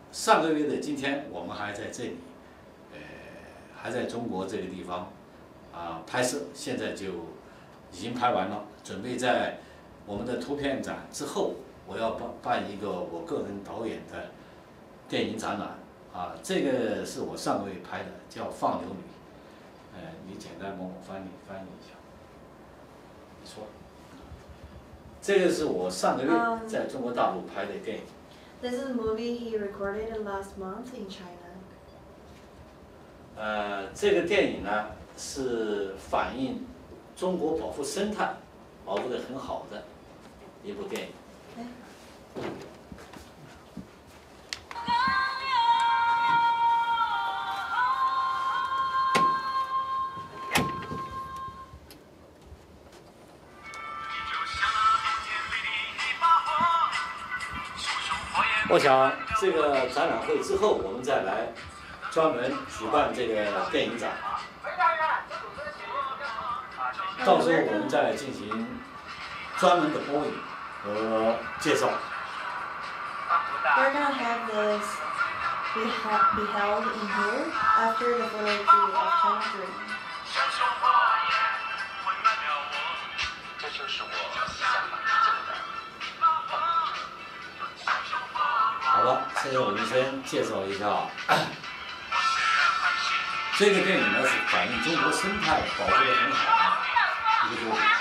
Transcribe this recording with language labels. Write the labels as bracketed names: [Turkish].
[Chinese] 上个月的今天，我们还在这里，还在中国这个地方啊拍摄，现在就已经拍完了，准备在我们的图片展之后，我要办一个我个人导演的电影展览啊。这个是我上个月拍的，叫《放牛女》。你简单帮我翻译一下。你说，这个是我上个月在中国大陆拍的电影。 [English] This is a movie he recorded last month in China. [Chinese] 这个电影呢是反映中国保护生态，保护得很好的一部电影。我想这个展览会之后，我们再来专门举办这个电影展，到时候我们再进行专门的播映和介绍。 [English] We're gonna have this be held in here after the photo of China Dream. [Chinese] 这就是我想把你这个的放进去。好了，现在我们先介绍一下。这个电影呢是反映中国生态保护得很好的一个作品。